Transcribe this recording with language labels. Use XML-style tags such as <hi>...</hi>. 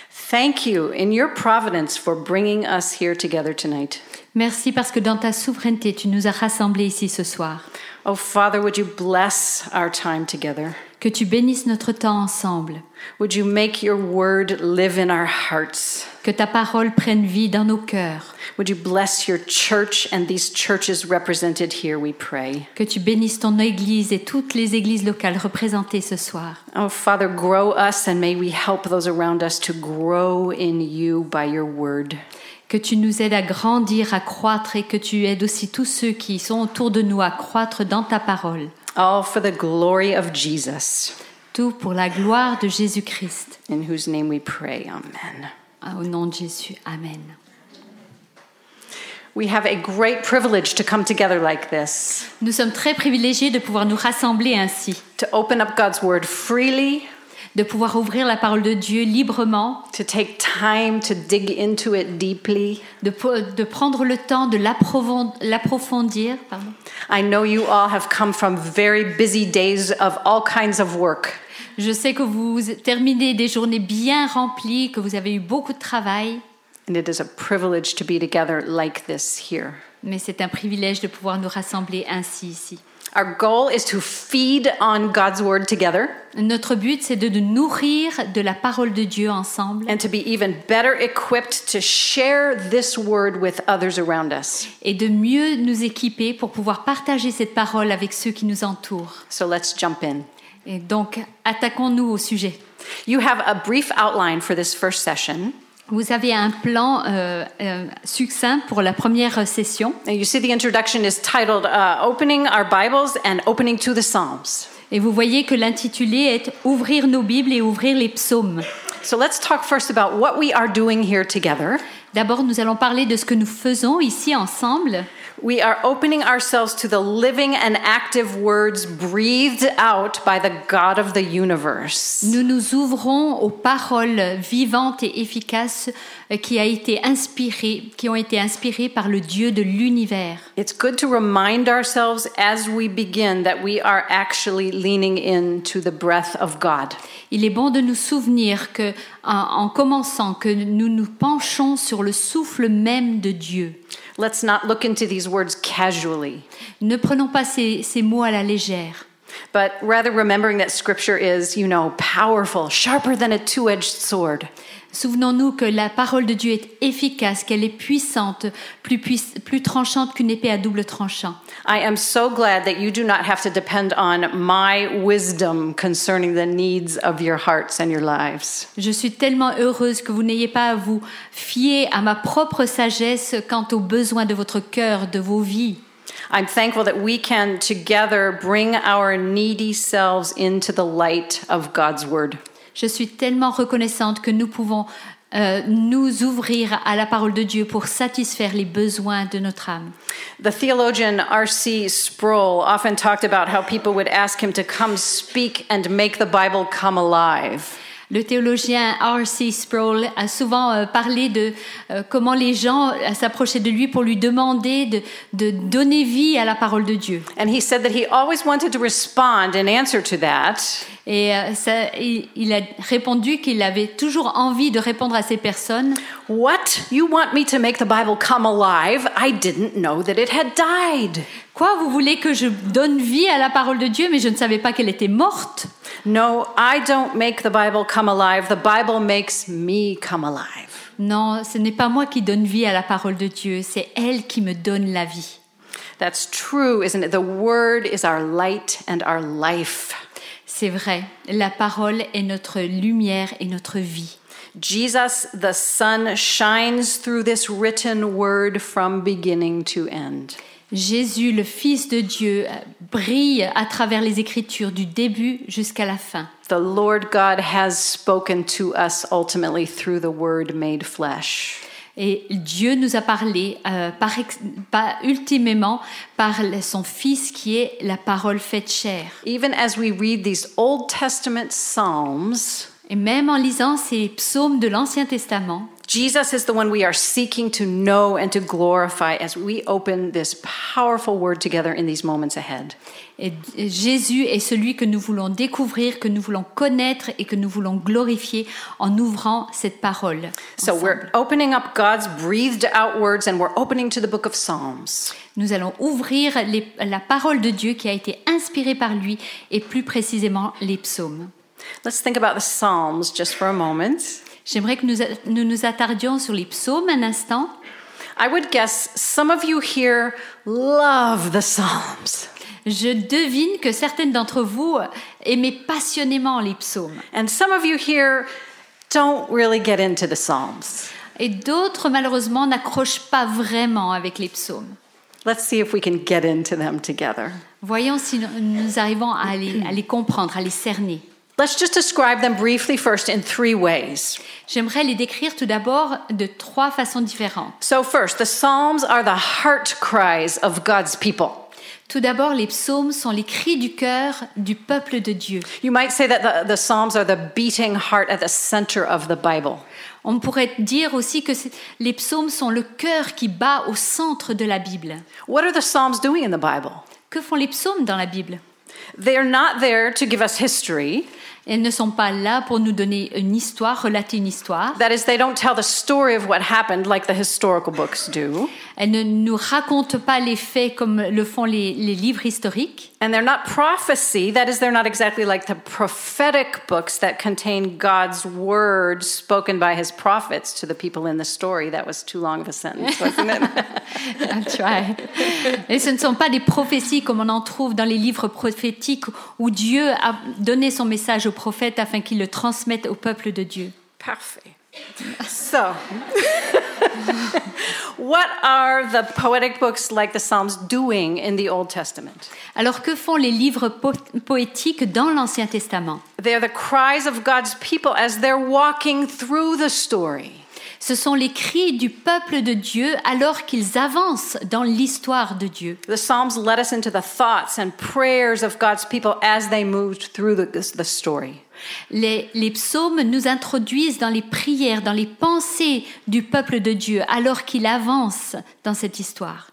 <en>thank you in your providence for bringing us here together tonight.</en> <fr>Merci parce que dans ta souveraineté, tu nous as rassemblés ici ce soir.</fr> <en>Oh Father, would you bless our time together?</en> <fr>Que tu bénisses notre temps ensemble.</fr> <en>Would you make your word live in our hearts?</en> <fr>Que ta parole prenne vie dans nos cœurs.</fr> <en>Would you bless your church and these churches represented here, we pray.</en> <fr>Que tu bénisses ton église et toutes les églises locales représentées ce soir.</fr> <en>Oh Father, grow us and may we help those around us to grow in you by your word.</en> <fr>Que tu nous aides à grandir, à croître et que tu aides aussi tous ceux qui sont autour de nous à croître dans ta parole.</fr> <en>All for the glory of Jesus.</en> <fr>Tout pour la gloire de Jésus-Christ.</fr> <en>In whose name we pray. Amen.</en> <fr>Au nom de Jésus. Amen.</fr> <en>We have a great privilege to come together like this.</en> <fr>Nous sommes très privilégiés de pouvoir nous rassembler ainsi.</fr> <en>To open up God's word freely.</en> <fr>De pouvoir ouvrir la parole de Dieu librement.</fr> <en>To take time to dig into it deeply.</en> <fr>De prendre le temps de l'approfondir. Pardon.</fr> <en>I know you all have come from very busy days of all kinds of work.</en> <fr>Je sais que vous terminez des journées bien remplies, que vous avez eu beaucoup de travail.</fr> <en>And it is a privilege to be together like this here.</en> <fr>Mais c'est un privilège de pouvoir nous rassembler ainsi ici.</fr> <en>Our goal is to feed on God's word together.</en> <fr>Notre but c'est de nourrir de la parole de Dieu ensemble.</fr> <en>And to be even better equipped to share this word with others around us.</en> <fr>Et de mieux nous équiper pour pouvoir partager cette parole avec ceux qui nous entourent.</fr> <en>So let's jump in.</en> <fr>Et donc attaquons-nous au sujet.</fr> <en>You have a brief outline for this first session.</en> <fr>Vous avez un plan succinct pour la première session.</fr> <en>And you see the introduction is titled Opening Our Bibles and Opening to the Psalms.</en> <fr>Et vous voyez que l'intitulé est Ouvrir nos Bibles et ouvrir les psaumes.</fr> <en>So let's talk first about what we are doing here together.</en> <fr>D'abord, nous allons parler de ce que nous faisons ici ensemble.</fr> <en>We are opening ourselves to the living and active words breathed out by the God of the universe.</en> <fr>Nous nous ouvrons aux paroles vivantes et efficaces qui ont été inspirées par le Dieu de l'univers.</fr> <en>It's good to remind ourselves as we begin that we are actually leaning into the breath of God.</en> <fr>Il est bon de nous souvenir que en commençant que nous nous penchons sur le souffle même de Dieu.</fr> <en>Let's not look into these words casually.</en> <fr>Ne prenons pas ces mots à la légère.</fr> <en>But rather remembering that scripture is, you know, powerful, sharper than a two-edged sword.</en> <fr>Souvenons-nous que la parole de Dieu est efficace, qu'elle est puissante, plus tranchante qu'une épée à double tranchant.</fr> <en>I am so glad that you do not have to depend on my wisdom concerning the needs of your hearts and your lives.</en> <fr>Je suis tellement heureuse que vous n'ayez pas à vous fier à ma propre sagesse quant aux besoins de votre cœur, de vos vies.</fr> <en>I'm thankful that we can together bring our needy selves into the light of God's word.</en> <fr>Je suis tellement reconnaissante que nous pouvons nous ouvrir à la parole de Dieu pour satisfaire les besoins de notre âme.</fr> <en>The theologian R.C. Sproul often talked about how people would ask him to come speak and make the Bible come alive.</en> <fr>Le théologien R.C. Sproul a souvent parlé de comment les gens s'approchaient de lui pour lui demander de donner vie à la parole de Dieu.</fr> <en>And he said that he always wanted to respond in answer to that.</en> <fr>Et ça, il a répondu qu'il avait toujours envie de répondre à ces personnes.</fr> <en>What? You want me to make the Bible come alive? I didn't know that it had died.</en> <fr>Quoi, vous voulez que je donne vie à la parole de Dieu, mais je ne savais pas qu'elle était morte?</fr> <en>No, I don't make the Bible come alive. The Bible makes me come alive.</en> <fr>Non, ce n'est pas moi qui donne vie à la parole de Dieu, c'est elle qui me donne la vie.</fr> <en>That's true, isn't it? The Word is our light and our life.</en> <fr>C'est vrai, la parole est notre lumière et notre vie.</fr> <en>Jesus the Son shines through this written word from beginning to end.</en> <fr>Jésus, le Fils de Dieu, brille à travers les Écritures du début jusqu'à la fin.</fr> <en>The Lord God has spoken to us ultimately through the Word made flesh.</en> <fr>Et Dieu nous a parlé ultimement par son Fils qui est la parole faite chair.</fr> <en>Even as we read these Old Testament Psalms,</en> <fr>et même en lisant ces psaumes de l'Ancien Testament,</fr> <en>Jesus is the one we are seeking to know and to glorify as we open this powerful word together in these moments ahead.</en> <fr>Et Jésus est celui que nous voulons découvrir, que nous voulons connaître et que nous voulons glorifier en ouvrant cette parole.</fr> <en>So we're opening up God's breathed out words and we're opening to the book of Psalms.</en> <fr>Nous allons ouvrir la parole de Dieu qui a été inspirée par lui et plus précisément les psaumes.</fr> <en>Let's think about the Psalms just for a moment.</en> <fr>J'aimerais que nous nous attardions sur les psaumes un instant.</fr> <en>I would guess some of you here love the Psalms.</en> <fr>Je devine que certaines d'entre vous aimaient passionnément les psaumes.</fr> <en>And some of you here don't really get into the Psalms.</en> <fr>Et d'autres, malheureusement, n'accrochent pas vraiment avec les psaumes.</fr> <en>Let's see if we can get into them together.</en> <fr>Voyons si nous arrivons à les comprendre, à les cerner.</fr> <en>Let's just describe them briefly first in three ways.</en> <fr>J'aimerais les décrire tout d'abord de trois façons différentes.</fr> <en>So first, the Psalms are the heart cries of God's people.</en> <fr>Tout d'abord, les psaumes sont les cris du cœur du peuple de Dieu.</fr> <en>You might say that the Psalms are the beating heart at the center of the Bible.</en> <fr>On pourrait dire aussi que les psaumes sont le cœur qui bat au centre de la Bible.</fr> <en>What are the Psalms doing in the Bible?</en> <fr>Que font les psaumes dans la Bible?</fr> <en>They are not there to give us history.</en> <fr>Elles ne sont pas là pour nous donner une histoire, relater une histoire.</fr> <en>That is, they don't tell the story of what happened like the historical books do.</en> <fr>Elles ne nous racontent pas les faits comme le font les livres historiques.</fr> <en>And they're not prophecy. That is, they're not exactly like the prophetic books that contain God's words spoken by his prophets to the people in the story. That was too long of a sentence, wasn't it? That's right.</en> <fr>Et ce ne sont pas des prophéties comme on en trouve dans les livres prophétiques où Dieu a donné son message aux prophètes afin qu'ils le transmettent au peuple de Dieu. Parfait.</fr> <en>So, what are the poetic books like the Psalms doing in the Old Testament?</en> <fr>Alors que font les livres poétiques dans l'Ancien Testament?</fr> <en>They are the cries of God's people as they're walking through the story.</en> <fr>Ce sont les cris du peuple de Dieu alors qu'ils avancent dans l'histoire de Dieu.</fr> <en>The Psalms led us into the thoughts and prayers of God's people as they moved through the story.</en> <fr>Les psaumes nous introduisent dans les prières, dans les pensées du peuple de Dieu alors qu'il avance dans cette histoire.</fr>